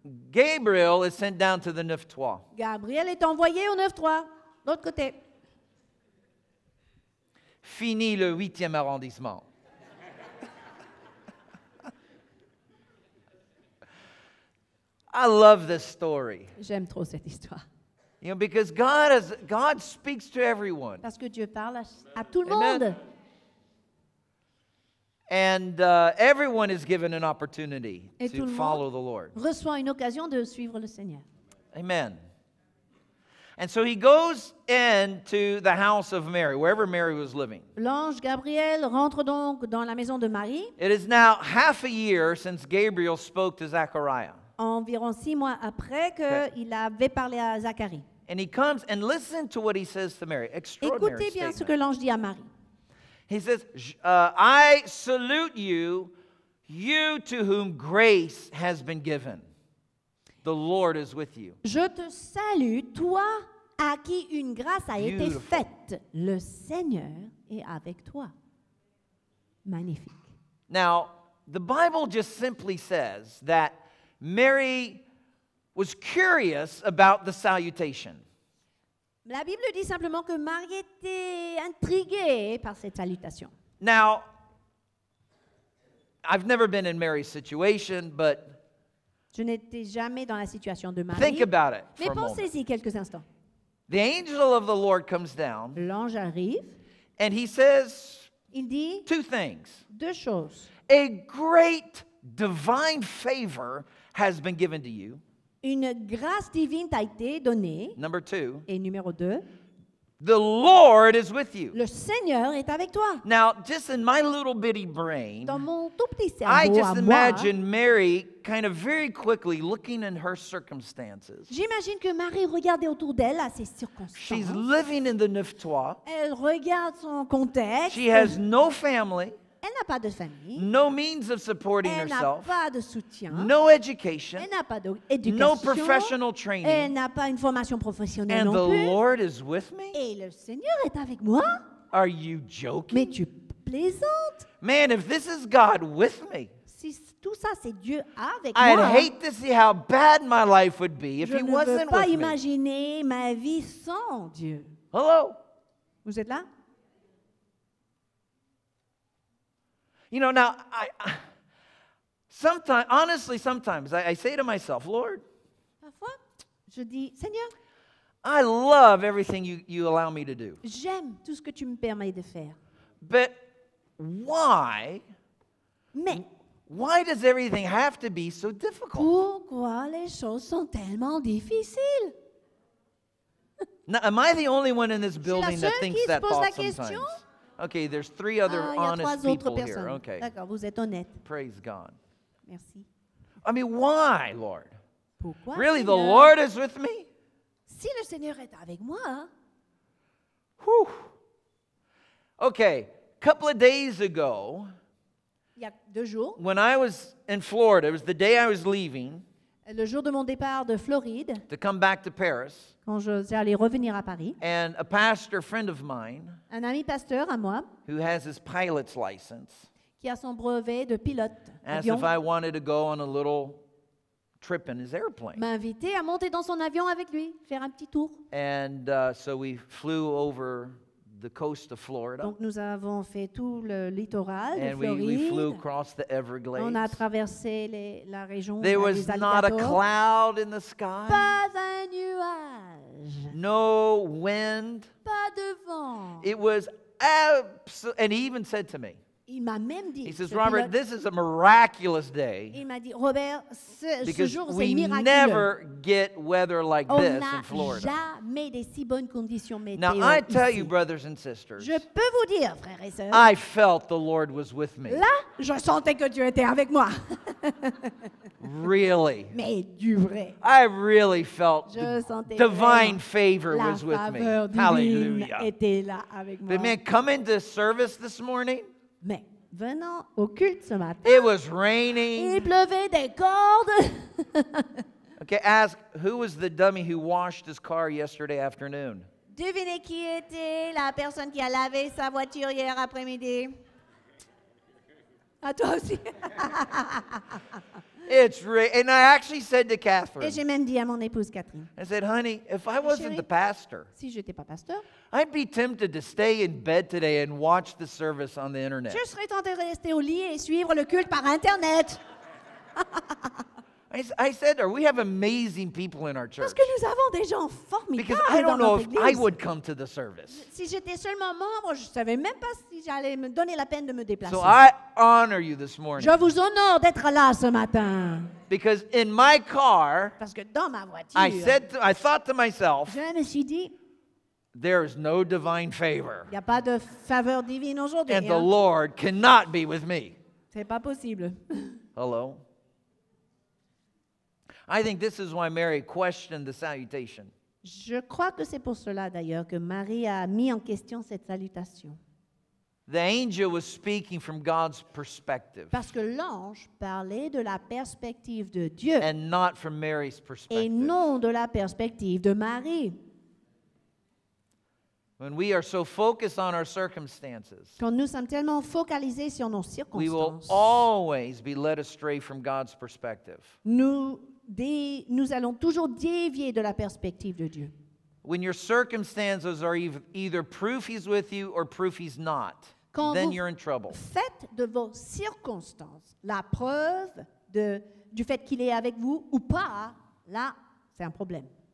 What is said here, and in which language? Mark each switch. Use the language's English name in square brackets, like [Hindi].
[English] Gabriel is sent down to the 9-3. [French] Gabriel est envoyé au 9-3, l'autre côté. Fini le 8e arrondissement. [English] I love this story. [French] J'aime trop cette histoire. [English] You know, because God speaks to everyone. [French] Parce que Dieu parle à tout le monde. [English] And everyone is given an opportunity to follow the Lord. [French] Reçoit une occasion de suivre le Seigneur. [English] Amen. And so he goes into the house of Mary, wherever Mary was living. [French] L'ange Gabriel rentre donc dans la maison de Marie. [English] It is now half a year since Gabriel spoke to Zachariah. [French] Environ 6 mois après qu'il avait parlé à Zacharie. [English] And he comes and listen to what he says to Mary. Extraordinary statement. [French] Écoutez bien ce que l'ange dit à Marie. [English] He says, I salute you, you to whom grace has been given. The Lord is with you. [French] Je te salue, toi à qui une grâce a été faite. Le Seigneur est avec toi. Magnifique. [English] Now, the Bible just simply says that Mary was curious about the salutation. [French] La Bible dit simplement que Marie était intriguée par cette salutation. [English] Now, I've never been in Mary's situation, but [French] je n'étais jamais dans la situation de Marie. [English] Think about it. [French] Mais pensez-y quelques instants. [English] The angel of the Lord comes down. [French] L'ange arrive. [English] And he says, [French] il dit, [English] two things. [French] Deux choses. [English] A great divine favor has been given to you. [French] Une grâce divine t'a été donnée. [English] Number two. [French] Et numéro deux. [English] The Lord is with you. [French] Le Seigneur est avec toi. [English] Now, just in my little bitty brain, [French] dans mon tout petit cerveau, [English] I just imagine [French] moi, [English] Mary kind of very quickly looking in her circumstances. [French] J'imagine que Marie regardait autour d'elle à ses circonstances. [English] She's living in the neuf-toits. [French] Elle regarde son contexte. [English] She has no family. [French] Elle n'a pas de famille. [English] No means of supporting [French] elle [English] herself. [French] Elle n'a pas de soutien. [English] No education. [French] Elle n'a pas d'éducation. [English] No professional training. [French] Elle n'a pas une formation professionnelle [English] and [French] non [English] the [French] plus. [English] Lord is with me? [French] Et le Seigneur est avec moi? [English] Are you joking? [French] Mais tu plaisantes? [English] Man, if this is God with me, [French] si tout ça c'est Dieu avec [English] I'd [French] moi, [English] hate to see how bad my life would be if [French] je [English] he wasn't with me. [French] Je ne veux pas imaginer ma vie sans Dieu. [English] Hello? [French] Vous êtes là? [English] You know, now, I sometimes, honestly, sometimes, I say to myself, Lord, [French] parfois, je dis, Seigneur, [English] I love everything you allow me to do. [French] J'aime tout ce que tu me permets de faire. [English] But why? [French] Mais, [English] why does everything have to be so difficult? [French] Pourquoi les choses sont tellement difficiles? [English] Now, am I the only one in this building that thinks that thought sometimes? [French] Question? [English] Okay, there's three other honest people here. Okay. [French] D'accord, vous êtes honnête. [English] Praise God. [French] Merci. [English] I mean, why, Lord? [French] Pourquoi, [English] really, [French] Seigneur? [English] The Lord is with me? [French] Si le Seigneur est avec moi. [English] Whew. Okay, a couple of days ago, [French] il y a deux jours, [English] when I was in Florida, it was the day I was leaving, [French] le jour de mon départ de Floride, [English] to come back to Paris, [French] quand je suis allé revenir à Paris, [English] and a pastor friend of mine, [French] un ami pasteur à moi, [English] who has his pilot's license, [French] qui a son brevet de pilote, [English] asked if I wanted to go on a little trip in his airplane. [French] M'a invité à monter dans son avion avec lui, faire un petit tour. [English] And so we flew over the coast of Florida. [French] Donc nous avons fait tout le littoral de Floride. [English] And we flew across the Everglades. [French] On a traversé la région. [English] There was not a cloud in the sky. [French] Pas un nuage. [English] No wind. [French] Pas de vent. [English] It was absolutely, and he even said to me, [French] il m'a même dit, [English] he says, Robert, this is a miraculous day. [French] Il m'a dit, Robert, [English] because [French] ce jour, [English] we [French] c'est miraculeux. [English] Never get weather like [French] on [English] this in Florida. [French] Jamais des si bonnes conditions météo. [English] Now, I tell [French] ici. [English] You, brothers and sisters, [French] je peux vous dire, frères et sœurs, [English] I felt the Lord was with me. [French] Là, je sentais que Dieu était avec moi. [English] Really? [French] Mais du vrai. [English] I really felt [French] je [English] the divine favor was with me. Hallelujah. [French] Était là avec moi. [English] But man, coming to service this morning, [French] mais venant au culte ce matin, [English] it was raining. [French] Il pleuvait des cordes. [English] Okay, ask who was the dummy who washed his car yesterday afternoon. [French] Devinez qui était la personne qui a lavé sa voiture hier après-midi. À toi aussi. [English] It's raining, and I actually said to Catherine. [French] Et j'ai même dit à mon épouse Catherine. [English] I said, honey, if I wasn't [French] chérie, [English] the pastor, [French] si j'étais pas pasteur, [English] I'd be tempted to stay in bed today and watch the service on the internet. [French] Je serais tenté de rester au lit et suivre le culte par internet. [English] I said, we have amazing people in our church. [French] Parce que nous avons des gens formidables. [English] Because I don't know if [French] église. [English] I would come to the service. [French] Si j'étais seulement membre, je savais même pas si j'allais me donner la peine de me déplacer. [English] So I honor you this morning. [French] Je vous honore d'être là ce matin. [English] Because in my car, [French] parce que dans ma voiture, [English] I thought to myself, [French] je me suis dit, [English] there is no divine favor. [French] Il y a pas de faveur divine aujourd'hui. [English] And the Lord cannot be with me. [French] C'est pas possible. [English] Hello. I think this is why Mary questioned the salutation. [French] Je crois que c'est pour cela d'ailleurs que Marie a mis en question cette salutation. [English] The angel was speaking from God's perspective. [French] Parce que l'ange parlait de la perspective de Dieu. [English] And not from Mary's perspective. [French] Et non de la perspective de Marie. [English] When we are so focused on our circumstances, [French] quand nous sommes tellement focalisés sur nos circonstances, [English] we will always be led astray from God's perspective. [French] Nous allons toujours dévier de la perspective de Dieu. [English] When your circumstances are either proof he's with you or proof he's not, [French] quand [English] then you're in trouble. [French] Faites de vos circonstances la preuve du fait qu'il est avec vous ou pas, là, c'est un problème.